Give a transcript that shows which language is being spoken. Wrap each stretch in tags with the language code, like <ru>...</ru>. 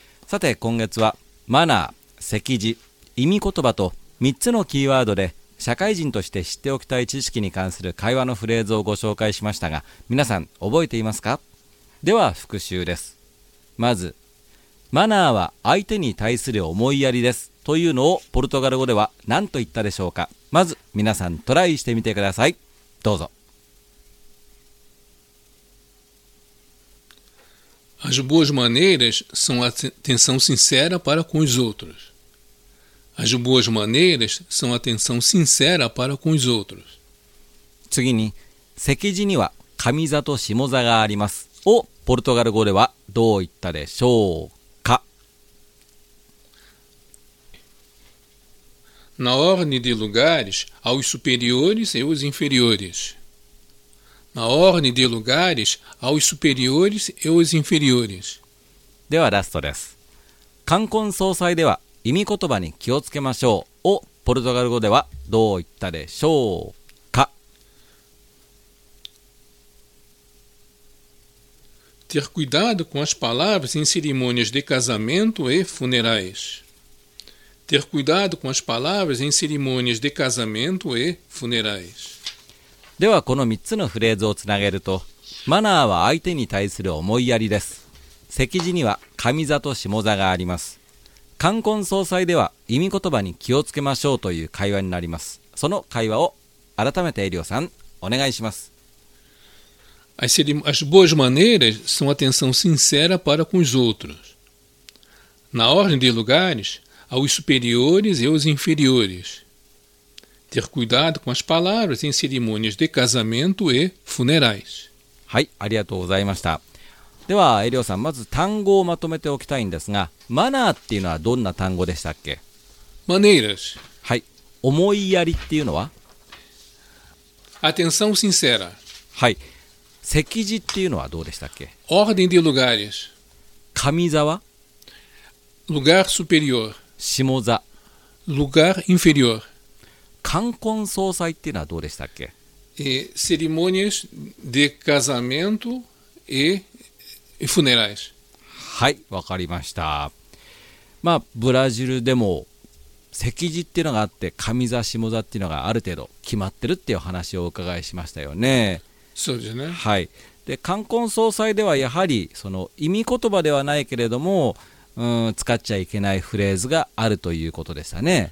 <ja>さて今月はマナー、席次、意味言葉と3つのキーワードで社会人として知っておきたい知識に関する会話のフレーズをご紹介しましたが、皆さん覚えていますか？では復習です。まずマナーは相手に対する思いやりですというのをポルトガル語では何と言ったでしょうか？まず皆さんトライしてみてください。どうぞ。</ja> <pt>As boas maneiras são atenção sincera para com os outros. As boas maneiras são atenção sincera para com os outros.</pt> <ja>次に、席次には上座と下座がありますをポルトガル語ではどう言ったでしょうか？</ja> <pt>Na ordem de lugares, há os superiores e os inferiores. Na ordem de lugares, há os superiores e os inferiores.</pt> <ja>ではラストです。冠婚葬祭では意味言葉に気をつけましょうをポルトガル語ではどう言ったでしょうか？</ja> <pt>Ter cuidado com as palavras em cerimônias de casamento e funerais. Ter cuidado com as palavras em cerimônias de casamento e funerais.</pt> <ja>ではこの3つのフレーズをつなげると、マナーは相手に対する思いやりです、席次には上座と下座があります、冠婚葬祭では意味言葉に気をつけましょうという会話になります。その会話を改めてエリオさんお願いします。</ja> <pt>As boas maneiras são atenção sincera para com os outros. Na ordem de lugares, há os superiores e os inferioresTer cuidado com as palavras em cerimônias de casamento e funerais.</pt> <ja>はい、ありがとうございました。では、エリオさん、まず単語をまとめておきたいんですが、マナーっていうのはどんな単語でしたっけ？</ja> <pt>マネーラス。</pt> <ja>はい、思いやりっていうのは？</ja> <pt>Atenção sincera。</pt> <ja>はい、席次っていうのはどうでしたっけ？</ja> <pt>Ordem de lugares。</pt> <ja>上座は？</ja> <pt>Lugar superior。</pt> <ja>下座。</ja> <pt>Lugar inferior。</pt> <ja>冠婚葬祭っていうのはどうでしたっけ？</ja> <pt>Cerimônias de casamento e funerais。</pt> <ja>はい、わかりました。まあ、ブラジルでも席次っていうのがあって、上座下座っていうのがある程度決まってるっていう話をお伺いしましたよね。そうですね。はい、で冠婚葬祭ではやはりその意味言葉ではないけれども、使っちゃいけないフレーズがあるということでしたね。</ja>